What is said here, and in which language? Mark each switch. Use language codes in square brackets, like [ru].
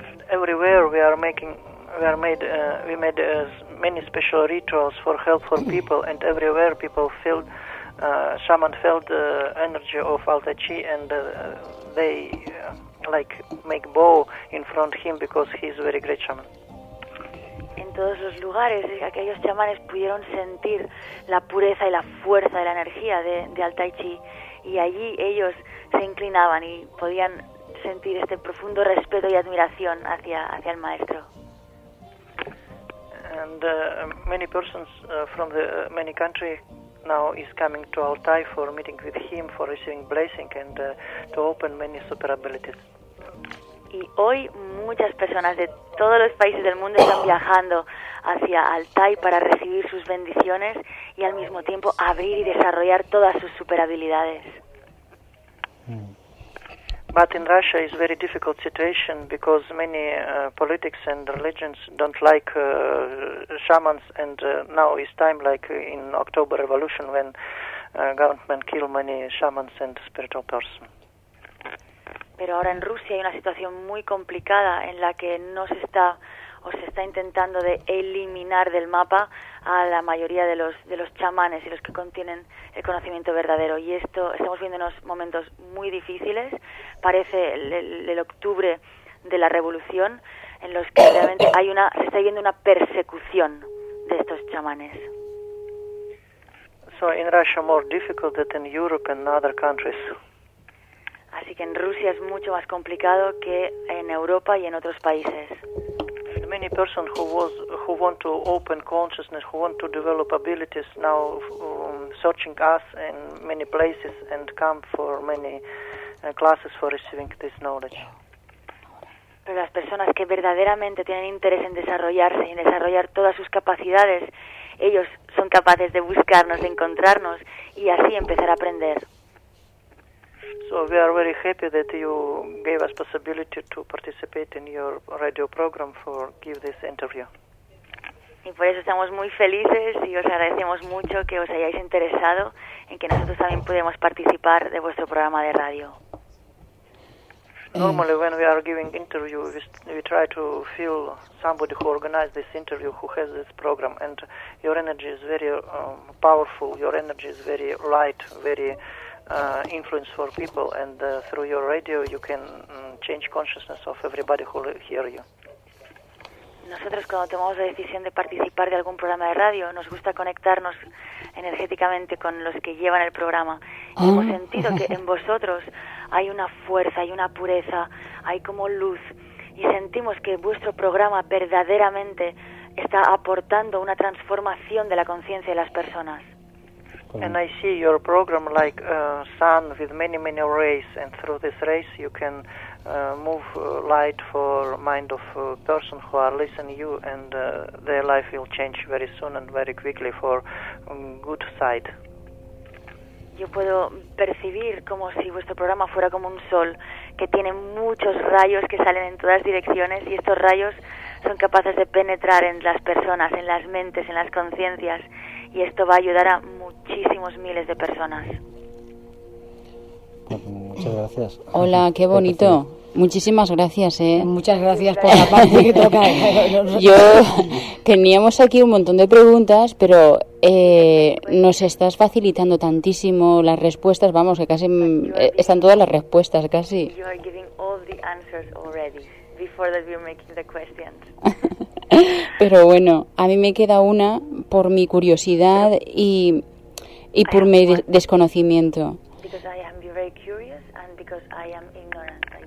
[en] Everywhere we made many special rituals for help for people, and everywhere people felt, shaman felt the energy of Alta Chi, and they like make bow in front of him because he's a very great shaman. [es] En todos los lugares, aquellos chamanes pudieron sentir la pureza y la fuerza de la energía de Alta Chi, y allí ellos se inclinaban y podían sentir este profundo respeto y admiración hacia el maestro. [en] And many persons from the many countries now is coming to Altai for meeting with him, for receiving blessing and to open many super abilities. [es] Y hoy muchas personas de todos los países del mundo están viajando hacia Altai para recibir sus bendiciones y al mismo tiempo abrir y desarrollar todas sus super habilidades. [en] But in Russia is very difficult situation because many politics and religions don't like shamans, and now is time like in October Revolution when government kill many shamans and spiritual persons. [es] Pero ahora en Rusia hay una situación muy complicada en la que no se está o se está intentando de eliminar del mapa a la mayoría de los chamanes y los que contienen el conocimiento verdadero. Y esto, estamos viendo unos momentos muy difíciles, parece el octubre de la revolución, en los que realmente hay una, se está viendo una persecución de estos chamanes. [en] So in Russia more difficult than in Europe and other countries. [es] Así que en Rusia es mucho más complicado que en Europa y en otros países. [en] Many persons who want to open consciousness, who want to develop abilities, now searching us in many places and come for many classes for receiving this knowledge. [es] Pero las personas que verdaderamente tienen interés en desarrollarse y en desarrollar todas sus capacidades, ellos son capaces de buscarnos, de encontrarnos y así empezar a aprender. [en] So we are very happy that you gave us possibility to participate in your radio program for give this interview. [es] Y por eso estamos muy felices y os agradecemos mucho que os hayáis interesado en que nosotros también podemos participar de vuestro programa de radio. [en] Normally when we are giving interview, we try to feel somebody who organized this interview, who has this program, and your energy is very powerful, your energy is very light, very influence for people, and through your radio you can change consciousness of everybody who hear you. [es] Nosotros cuando tomamos la decisión de participar de algún programa de radio, nos gusta conectarnos energéticamente con los que llevan el programa. Y hemos sentido que en vosotros hay una fuerza, hay una pureza, hay como luz. Y sentimos que vuestro programa verdaderamente está aportando una transformación de la conciencia de las personas. [en] And I see your program like a sun with many, many rays, and through this rays you can move light for mind of person who are listening to you, and their life will change very soon and very quickly for good side. [es] Yo puedo percibir como si vuestro programa fuera como un sol que tiene muchos rayos que salen en todas direcciones, y estos rayos son capaces de penetrar en las personas, en las mentes, en las conciencias, y esto va a ayudar a muchísimos miles de personas. Muchas gracias. Hola, qué bonito. Muchísimas gracias, ¿eh? Muchas gracias por la parte que toca. Yo, teníamos aquí un montón de preguntas, pero nos estás facilitando tantísimo las respuestas, vamos, que casi están todas las respuestas, casi. [en] You are giving all the answers already, before that you're making the questions. [es] Pero bueno, a mí me queda una por mi curiosidad y por mi desconocimiento. [en] Because I am very curious and because I am ignorant.